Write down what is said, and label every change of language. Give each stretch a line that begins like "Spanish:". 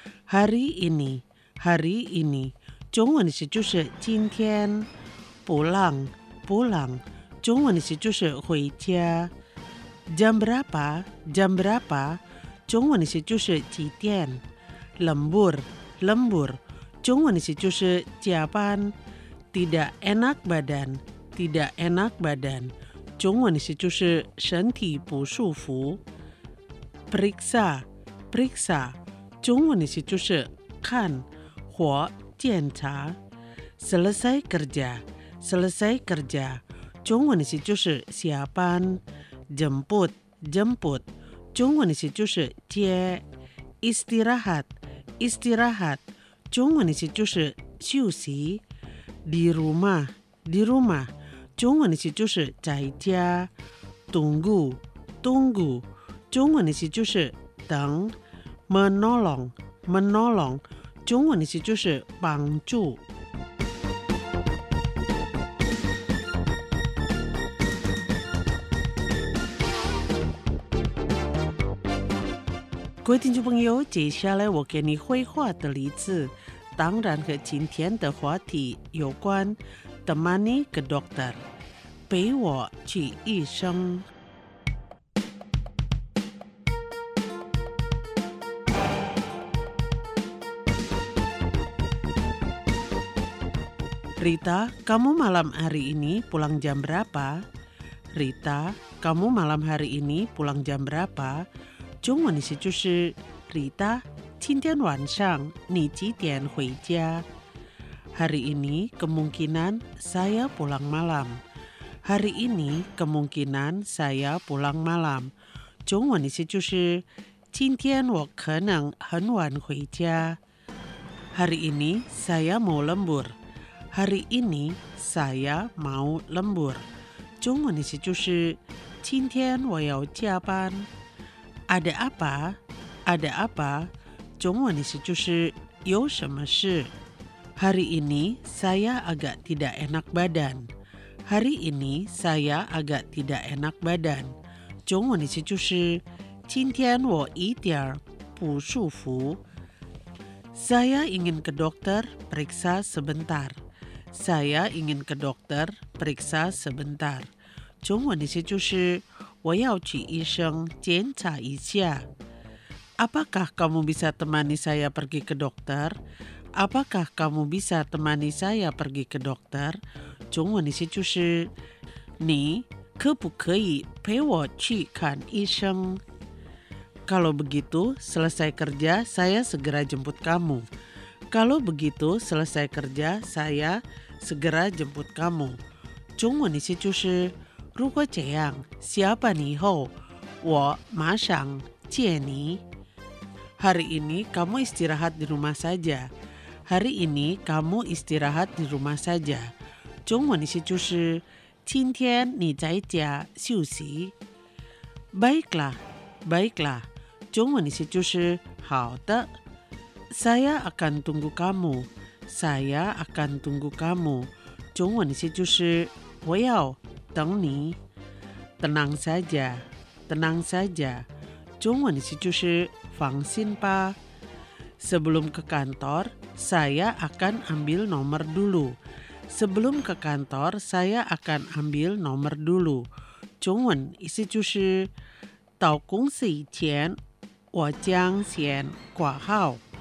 Indonesian: hari ini hari ini
Chinese: 中文意思就是今天。
Indonesian: pulang pulang
Chinese: 中文意思就是回家。
Indonesian: jam berapa jam berapa
Chinese: 中文意思就是几点。
Indonesian: lembur lembur
Chinese: 中文意思就是加班。
Indonesian: tidak enak badan tidak enak badan
Chinese: 中文意思就是身体不舒服。
Indonesian: Periksa Periksa
Chinese: 中文意思就是看或检查。
Indonesian: Selesai kerja Selesai kerja
Chinese: 中文意思就是下班。
Indonesian: Jemput Jemput
Chinese: 中文意思就是接。
Indonesian: Istirahat Istirahat
Chinese: 中文意思就是休息。
Indonesian: Di rumah Di rumah
Chinese: 中文的词就是在家。
Indonesian: tunggu tunggu
Chinese: 中文的词就是等。
Indonesian: menolong menolong
Chinese: 中文的词就是帮助。各位听众朋友，接下来我给你绘画的例子，当然和今天的话题有关。
Indonesian: temani ke dokter
Chinese: 陪我去医生。
Indonesian: Rita, kamu malam hari ini pulang jam berapa? Rita, kamu malam hari ini pulang jam berapa?
Chinese: 中文意思就是 Rita, 今天晚上你几点回家？
Indonesian: Hari ini kemungkinan saya pulang malam. Hari ini kemungkinan saya pulang malam.
Chinese: 中文意思就是今天我可能很晚回家。
Indonesian: Hari ini saya mau lembur. Hari ini saya mau lembur.
Chinese: 中文意思就是今天我要加班。
Indonesian: Ada apa? Ada apa?
Chinese: 中文意思就是有什么事。
Indonesian: Hari ini saya agak tidak enak badan. Hari ini saya agak tidak enak badan.
Chinese: 中文意思就是今天我一点不舒服。
Indonesian: Saya ingin ke dokter periksa sebentar. Saya ingin ke dokter periksa sebentar.
Chinese: 中文意思就是我要去医生检查一下。
Indonesian: Apakah kamu bisa temani saya pergi ke dokter? Apakah kamu bisa temani saya pergi ke dokter?
Chinese: 中文意思就是你可不可以陪我去看医生。
Indonesian: Kalau begitu selesai kerja saya segera jemput kamu. Kalau begitu selesai kerja saya segera jemput kamu.
Chinese: 中文意思就是如果这样下班以后我马上接你。
Indonesian: Hari ini kamu istirahat di rumah saja. Hari ini kamu istirahat di rumah saja.
Chinese: 中文意思就是今天你在家休息。
Indonesian: Baiklah, baiklah.
Chinese: 中文意思就是好的。
Indonesian: Saya akan tunggu kamu. Saya akan tunggu kamu.
Chinese: 中文意思就是我要等你。
Indonesian: Tenang saja, tenang saja.
Chinese: 中文意思就是放心吧。
Indonesian: Sebelum ke kantor, saya akan ambil nomor dulu. Sebelum ke kantor, saya akan ambil nomor dulu.
Chinese: 中文意思就是到公司以前，我将先挂号。